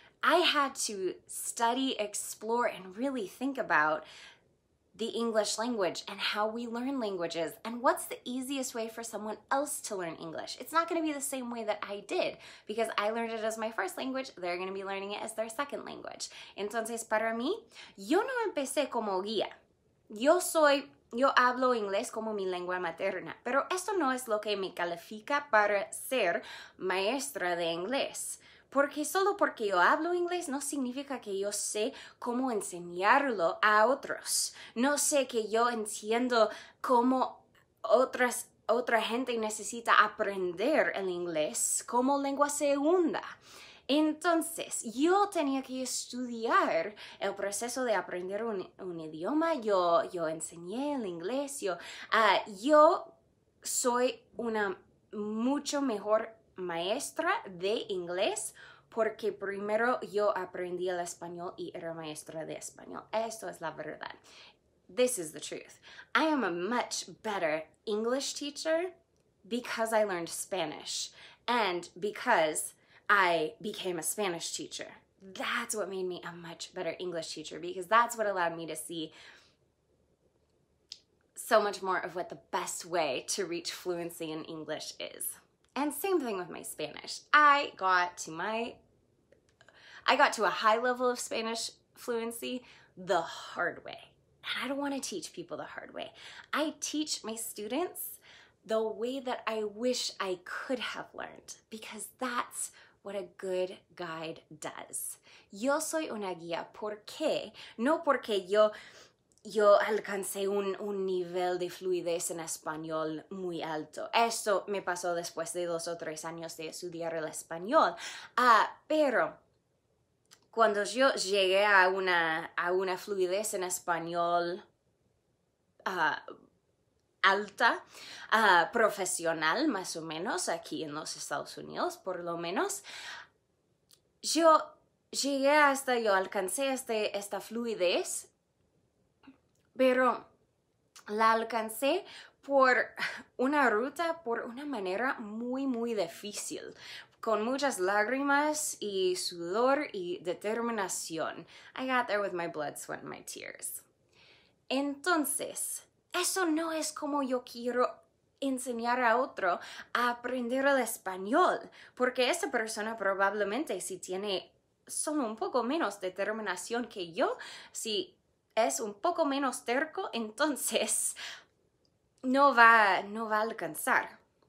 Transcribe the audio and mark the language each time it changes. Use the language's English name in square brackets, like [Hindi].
[English] I had to study, explore, and really think about the English language and how we learn languages and what's the easiest way for someone else to learn English. It's not going to be the same way that I did because I learned it as my first language. They're going to be learning it as their second language. [Spanish] Entonces, para mí, yo no empecé como guía. Yo hablo inglés como mi lengua materna, pero esto no es lo que me califica para ser maestra de inglés. Porque solo porque yo hablo inglés no significa que yo sé cómo enseñarlo a otros. No sé que yo entiendo cómo otra gente necesita aprender el inglés como lengua segunda. Entonces, yo tenía que estudiar el proceso de aprender un idioma. Yo enseñé el inglés. Yo soy una mucho mejor maestra de inglés porque primero yo aprendí el español y era maestra de español. Esto es la verdad. [English] This is the truth. I am a much better English teacher because I learned Spanish and because I became a Spanish teacher. That's what made me a much better English teacher because that's what allowed me to see so much more of what the best way to reach fluency in English is. And same thing with my Spanish. I got to a high level of Spanish fluency the hard way. And I don't want to teach people the hard way. I teach my students the way that I wish I could have learned because that's what a good guide does. [Spanish] Yo soy una guía, ¿por qué? No porque yo alcancé un nivel de fluidez en español muy alto. Eso me pasó después de 2 o 3 años de estudiar el español. Pero cuando yo llegué a una fluidez en español alta, profesional más o menos, aquí en los Estados Unidos por lo menos, yo alcancé esta fluidez, pero la alcancé por una ruta, por una manera muy, muy difícil, con muchas lágrimas y sudor y determinación. [English] I got there with my blood, sweat, and my tears. [Spanish] Entonces, eso no es como yo quiero enseñar a otro a aprender el español, porque esa persona probablemente si tiene solo un poco menos determinación que yo, si es un poco menos terco, entonces no va a alcanzar.